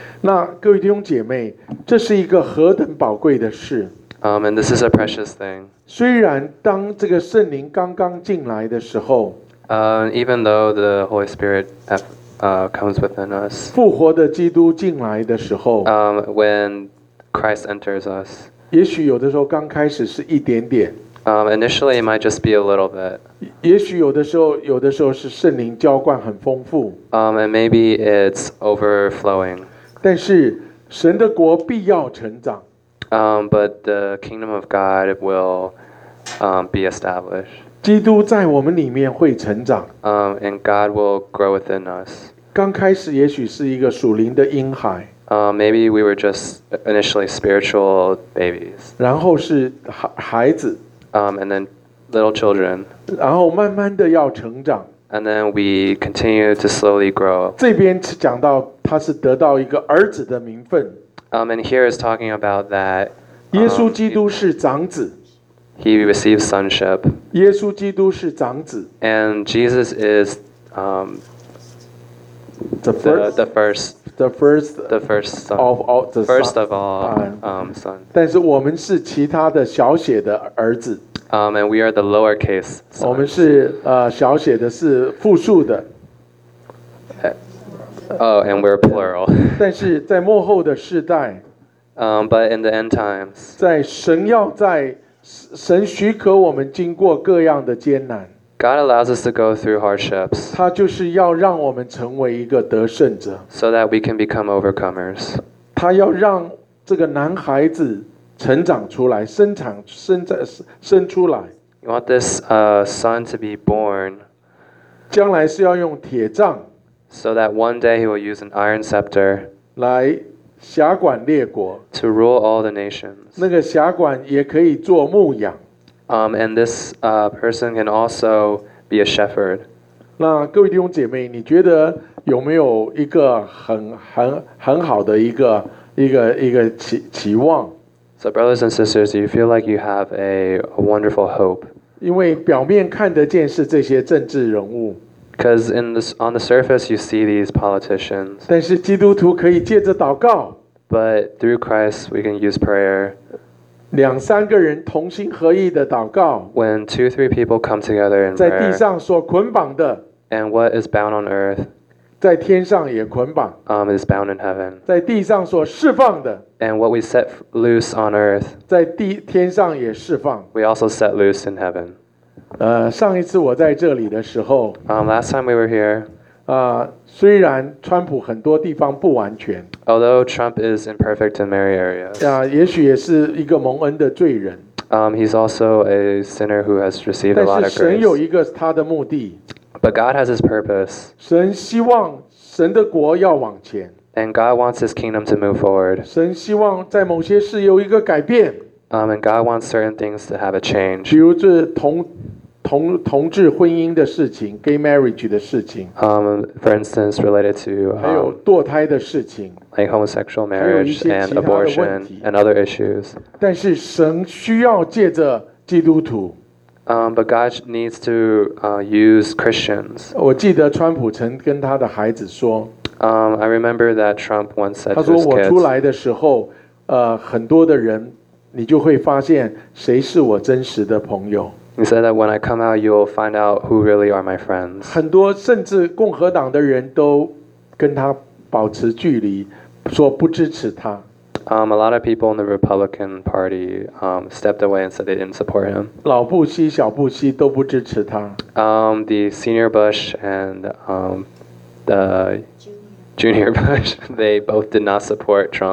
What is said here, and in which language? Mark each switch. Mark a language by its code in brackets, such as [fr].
[zh] 那各位弟兄姐妹，这是一个何等宝贵的事。 [en] And this is a precious thing. [zh] 虽然当这个圣灵刚刚进来的时候。 [en] Even though the Holy Spirit comes within us, [zh] 复活的基督进来的时候 [en] when Christ enters us, [zh] 也许有的时候刚开始是一点点 [en] initially it might just be a little bit. [zh] 也许有的时候是圣灵浇灌很丰富 [en] and maybe it's overflowing. [zh] 但是神的国必要成长 [en] but the kingdom of God will be established. [zh] 基督在我们里面会成长。 [en] And God will grow within us. [zh] 刚开始也许是一个属灵的婴孩。 [en] Maybe we were just initially spiritual babies. [zh] 然后是孩子。 [en] And then little children. [zh] 然后慢慢的要成长。 [en] And then we continue to slowly grow. [zh] 这边讲到他是得到一个儿子的名分。 [en] And here is talking about that. [zh] 耶稣基督是长子。 [en] He receives sonship. [zh] 耶稣基督是长子。 [en] And Jesus is the first of all son. [zh] 但是我们是其他的小写的儿子。 [en] And we are the lowercase son. [zh] 我们是小写的是复数的。 [en] Oh, and we're plural. [zh] 但是在末后的世代。 [en] But in the end times. [zh] 在神要在神许可我们经过各样的艰难。 [en] God allows us to go through hardships. [zh] 他就是要让我们成为一个得胜者。 [en] So that we can become overcomers. [zh] 他要让这个男孩子成长出来，生出来。 [en] You want this son to be born. [zh] 将来是要用铁杖。 [en] So that one day he will use an iron scepter. [zh] 来。辖管列国 [en] to rule all the nations. [zh] 那个辖管也可以做牧养 [en] and this person can also be a shepherd. [zh] 那各位弟兄姐妹，你觉得有没有一个很好的一个期望？ [en] So brothers and sisters, you feel like you have a wonderful hope. [zh] 因为表面看得见是这些政治人物。 [en] Because on the surface you see these politicians. [zh] 但是基督徒可以借着祷告。 [en] But through Christ we can use prayer. [zh] 两三个人同心合意的祷告。 [en] When two or three people come together in prayer. [zh] 在地上所捆绑的。 [en] And what is bound on earth. [zh] 在天上也捆绑。 [en] Is bound in heaven. [zh] 在地上所释放的。 [en] And what we set loose on earth. [zh] 在天上也释放。 [en] We also set loose in heaven. [zh] 上一次我在这里的时候 [en] last time we were here [zh] 虽然川普很多地方不完全 [en] although Trump is imperfect in many areas [zh] 也许也是一个蒙恩的罪人 [en] he's also a sinner who has received a lot of grace [zh] 但是神有一个他的目的 [en] but God has his purpose [zh] 神希望神的国要往前 [en] and God wants his kingdom to move forward [zh] 神希望在某些事有一个改变 [en] And God wants certain things to have a change. [zh] 比如这同志婚姻的事情 ， [en] gay marriage [zh] 的事情。 [en] For instance, related to [zh] 还有堕胎的事情 [en] ，like homosexual marriage and abortion and other issues. [zh] 但是神需要借着基督徒。 [en] But God needs to use Christians. [zh] 我记得川普曾跟他的孩子说 [en] ，I remember that Trump once said to his kids. [zh] 他说我出来的时候，很多的人。你就会发现谁是我真实的朋友。 [en] He said that when I come out, you'll find out who really are my friends. [zh] 很多甚至共和党的人都跟他保持距离，说不支持他。 [en] A lot of people in the Republican Party stepped away and said they didn't support him. [zh] 老布希、小布希都不支持他。 [en] The senior Bush and the junior Bush, they both did not support Trump.